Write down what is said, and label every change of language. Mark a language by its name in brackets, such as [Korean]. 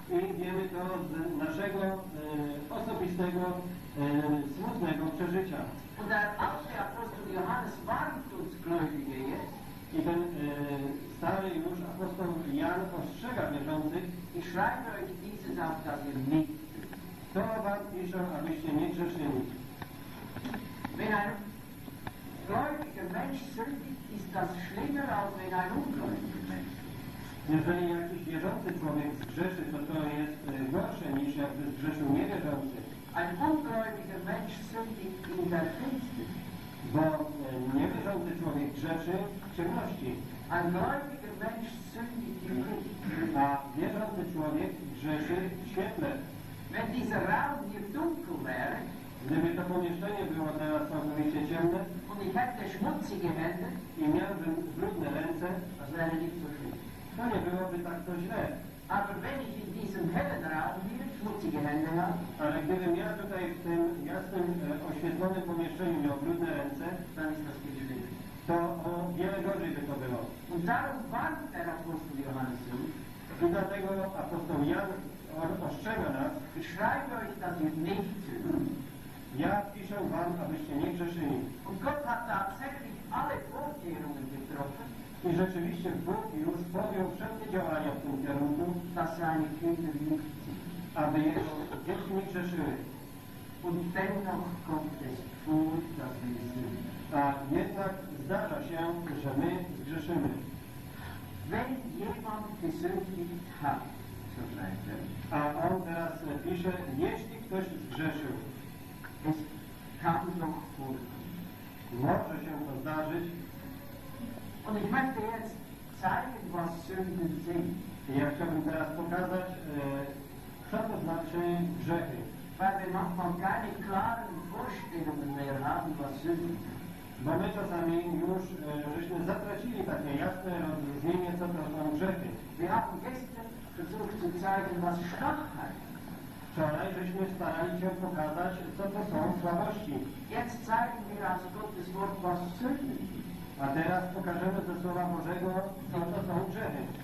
[Polish] I wiemy to z naszego osobistego, smutnego przeżycia. [German] Und der Apostel Johannes warnt uns Gläubige jetzt. [Polish] I ten stary już apostoł Jan ostrzega wierzących. [German] I schreibt euch diese Sache, dass ihr nicht. [Polish] To wam piszą, abyście nie grzeszyli. [German] Wenn ein gläubiger Mensch sündigt, ist das schlimmer als wenn ein ungläubiger Mensch. [Polish] Jeżeli jakiś wierzący człowiek zgrzeszy, to to jest gorsze niż jakby zgrzeszył niewierzący. [German] Ein ungläubiger Mensch sündigt in der Finsternis. [Polish] Bo niewierzący człowiek grzeszy w ciemności. [German] Ein gläubiger Mensch sündigt in Licht. [Polish] A wierzący człowiek grzeszy w świetle. [German] Wenn dieser Raum hier dunkel wäre, [Polish] gdyby to pomieszczenie było teraz całkowicie ciemne, [German] und ich hätte schmutzige Hände, [Polish] i miałbym brudne ręce, [German] das wäre nicht so schlimm. [Polish] To nie byłoby tak to źle. [German] Aber wenn ich in diesem hellen Raum hier schmutzige Hände habe, [Polish] ale gdybym ja tutaj w tym jasnym, oświetlonym pomieszczeniu miał brudne ręce, [German] dann ist das viel schlimmer. [Polish] To o wiele gorzej by to było. [German] Und darum warnt der Apostel Johannes uns. [Polish] I dlatego apostoł Jan ostrzega nas. [German] Schreibe euch, dass ihr nicht sündigt. [Polish] Ja piszę wam, abyście nie grzeszyli. [German] Und Gott hat tatsächlich alle Vorkehrungen getroffen. [Polish] I rzeczywiście Bóg już podjął wszelkie działania w tym kierunku. [German] Dass seine Kinder nicht sündigen. [Polish] Aby jego dzieci nie grzeszyły. [German] Und dennoch kommt es vor, dass wir sündigen. [Polish] A jednak zdarza się, że my zgrzeszymy. [German] Wenn jemand gesündigt hat, so schreibt er. [Polish] A on teraz pisze, jeśli ktoś zgrzeszył, [German] es kann doch vorkommen. [Polish] Może się to zdarzyć. [German] Und ich möchte jetzt zeigen, was Sünden sind. [Polish] Ja chciałbym teraz pokazać, co to znaczy grzechy. [German] Weil wir manchmal keine klaren Vorstellungen mehr haben, was Sünden sind. [Polish] Bo my czasami już żeśmy zatracili takie jasne rozróżnienie, co to są grzechy. [German] Wir haben gestern versucht zu zeigen, was Schwachheit ist. [Polish] Wczoraj żeśmy starali się pokazać, co to są słabości. [German] Jetzt zeigen wir aus Gottes Wort, was Sünde ist. [Polish] A teraz pokażemy ze Słowa Bożego, co to są grzechy.